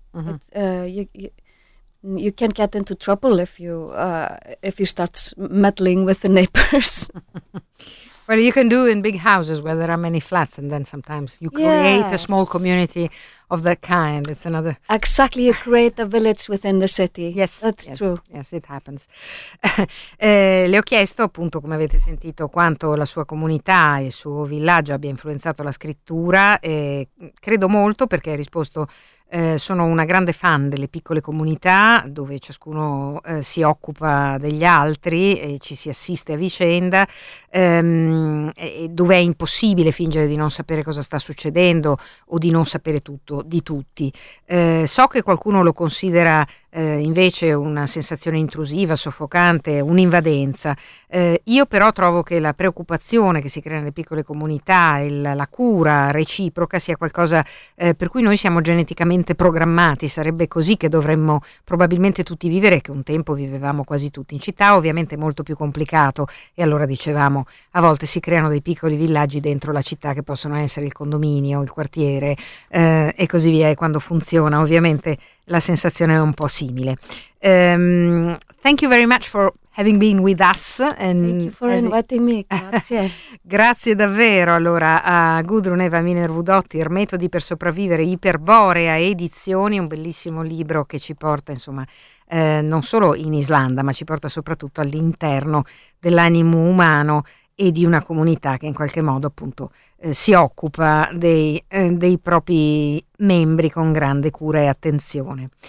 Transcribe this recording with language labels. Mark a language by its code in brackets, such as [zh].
[en] Mm-hmm. It, you can get into trouble if you start meddling with the neighbors. Well, you can do in big houses where there are many flats, and then sometimes you create a small community of that kind. It's another. Exactly, you create a village within the city. Yes, that's true. Yes, it happens. [it] le ho chiesto appunto, come avete sentito, quanto la sua comunità e il suo villaggio abbia influenzato la scrittura. E credo molto, perché ha risposto: sono una grande fan delle piccole comunità dove ciascuno si occupa degli altri e ci si assiste a vicenda, e dove è impossibile fingere di non sapere cosa sta succedendo o di non sapere tutto di tutti. So che qualcuno lo considera invece una sensazione intrusiva, soffocante, un'invadenza. Io però trovo che la preoccupazione che si crea nelle piccole comunità e la cura reciproca sia qualcosa per cui noi siamo geneticamente programmati. Sarebbe così che dovremmo probabilmente tutti vivere, che un tempo vivevamo quasi tutti in città, ovviamente molto più complicato, e allora dicevamo a volte si creano dei piccoli villaggi dentro la città che possono essere il condominio, il quartiere e così via, e quando funziona ovviamente la sensazione è un po' simile. [en] Thank you very much for having been with us. And thank you for inviting me. [it] Grazie. Grazie davvero allora a Gudrun Eva Miner-Vudotti, Metodi per sopravvivere, Iperborea Edizioni, un bellissimo libro che ci porta insomma non solo in Islanda, ma ci porta soprattutto all'interno dell'animo umano e di una comunità che in qualche modo appunto si occupa dei propri membri con grande cura e attenzione.